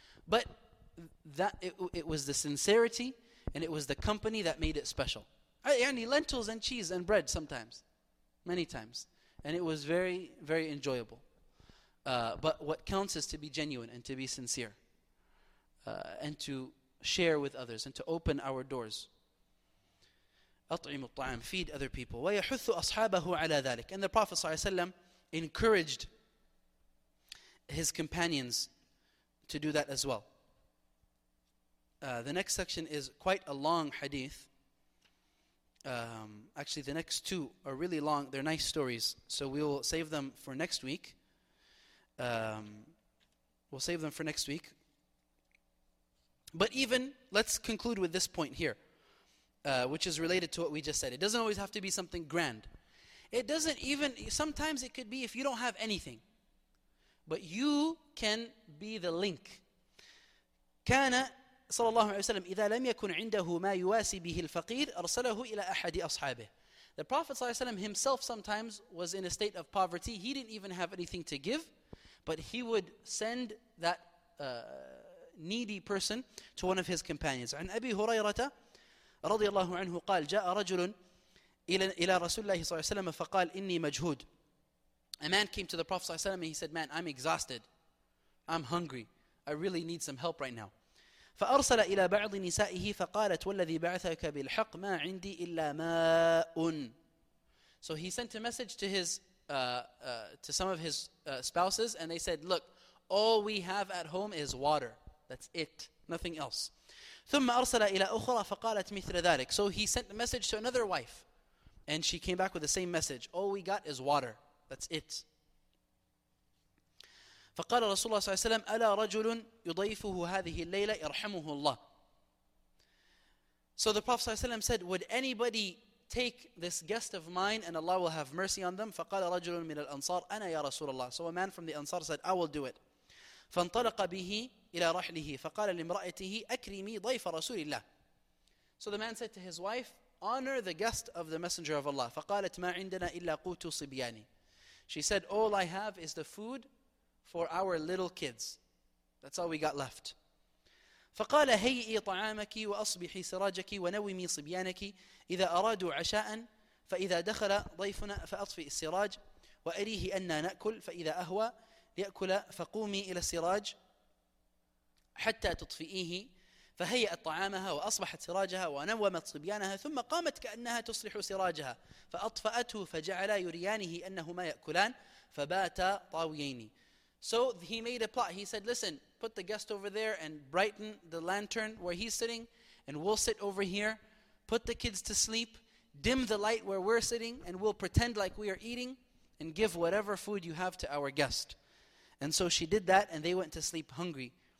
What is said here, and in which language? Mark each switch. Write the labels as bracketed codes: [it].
[en] But that it was the sincerity and it was the company that made it special. Yani lentils and cheese and bread sometimes, many times. And it was very, very enjoyable. But what counts is to be genuine and to be sincere and to share with others and to open our doors. [ar] أطعم الطعام, [en] feed other people. [ar] ويحث أصحابه على ذلك. [en] And the Prophet [ar] صلى الله عليه وسلم [en] encouraged his companions to do that as well. The next section is quite a long hadith. Actually, the next two are really long. They're nice stories. So we'll save them for next week. We'll save them for next week. But even, let's conclude with this point here, which is related to what we just said. It doesn't always have to be something grand. It doesn't even, sometimes it could be if you don't have anything. But you can be the link. [ar] كان صلى الله عليه وسلم إذا لم يكن عنده ما يواسي به الفقير أرسله إلى أحد أصحابه. [en] The Prophet صلى الله عليه وسلم himself sometimes was in a state of poverty. He didn't even have anything to give. But he would send that needy person to one of his companions. [ar] عن أبي هريرة رضي الله عنه قال جاء رجل إلى رسول الله صلى الله عليه وسلم فقال إني مجهود. [en] A man came to the Prophet صلى الله عليه وسلم and he said, man, I'm exhausted. I'm hungry. I really need some help right now. [ar] فأرسل إلى بعض نسائه فقالت والذي بعثك بالحق ما عندي إلا ماء. [en] So he sent a message to his to some of his spouses and they said, look, all we have at home is water. That's it. Nothing else. [ar] ثم أرسل إلى أخرى فقالت مثل ذلك. [en] So he sent a message to another wife and she came back with the same message. All we got is water. That's it. [ar] فقال رسول الله صلى الله عليه وسلم ألا رجل يضيفه هذه الليلة يرحمه الله. [en] So the Prophet صلى الله عليه وسلم said, would anybody take this guest of mine and Allah will have mercy on them? [ar] فقال رجل من الأنصار أنا يا رسول الله. [en] So a man from the Ansar said, I will do it. [ar] فانطلق به إلى رحله فقال لامرأته أكرمي ضيف رسول الله. [en] So the man said to his wife, honor the guest of the Messenger of Allah. [ar] فقالت ما عندنا إلا قوت صبياني. [en] She said, all I have is the food for our little kids. That's all we got left. [ar] فقال هيئي طعامك وأصبحي سراجك ونومي صبيانك إذا أرادوا عشاء فإذا دخل ضيفنا فأطفئ السراج وأريه أنا نأكل فإذا أهوى ليأكل فقومي إلى السراج حتى تطفئيه فهيئت طعامها وأصبحت سراجها ونومت صبيانها ثم قامت كأنها تصلح سراجها فأطفأته فجعل يريانه أنهما يأكلان فباتا طاويين. [en] So he made a plot. He said, listen, put the guest over there and brighten the lantern where he's sitting and we'll sit over here. Put the kids to sleep. Dim the light where we're sitting and we'll pretend like we are eating and give whatever food you have to our guest. And so she did that and they went to sleep hungry.